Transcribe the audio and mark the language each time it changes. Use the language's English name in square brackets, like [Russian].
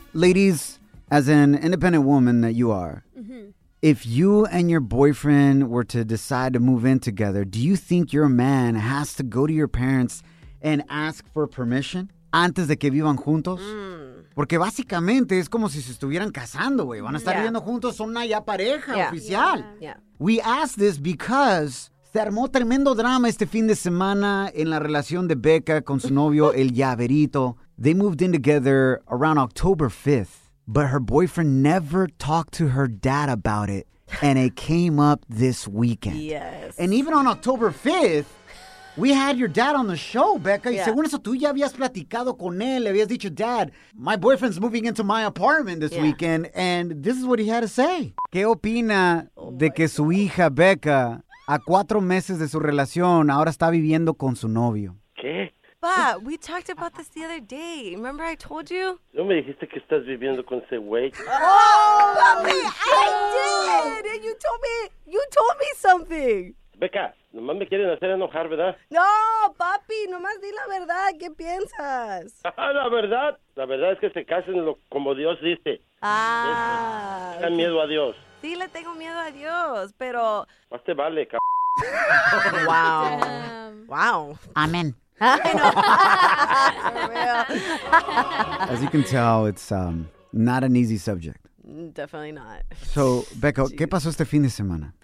[English] Ladies, as an independent woman that you are, if you and your boyfriend were to decide to move in together, do you think your man has to go to your parents and ask for permission [Spanish] antes de que vivan juntos? Porque básicamente es como si se estuvieran casando, güey. Van a estar viviendo juntos, son una ya pareja oficial. [English] Yeah. We ask this because [Spanish] se armó tremendo drama este fin de semana en la relación de Becca con su novio, el Llaverito. [English] They moved in together around October 5th, but her boyfriend never talked to her dad about it, and it came up this weekend. Yes. And even on October 5th, we had your dad on the show, Becca. [Spanish] Y según eso, tú ya habías platicado con él, le habías dicho, [English] Dad, my boyfriend's moving into my apartment this weekend, and this is what he had to say. [Spanish] ¿Qué opina de que su hija, Becca, a 4 meses de su relación, ahora está viviendo con su novio? ¿Qué? [English] But we talked about this the other day. Remember I told you? [Spanish] ¿No me dijiste que estás viviendo con ese güey? [English] Oh, papi, I did! And you told me something. [Spanish] Becca, nomás me quieren hacer enojar, ¿verdad? No, papi, nomás di la verdad. ¿Qué piensas? La verdad es que se casen como Dios dice. Ah. Tengan miedo a Dios. Sí, le tengo miedo a Dios, pero... Más te vale, cabrón. [English] Wow. Damn. Wow. [Spanish] Amén. [English] As you can tell, it's not an easy subject. Definitely not. [Spanish] So, Becca, ¿qué pasó este fin de semana?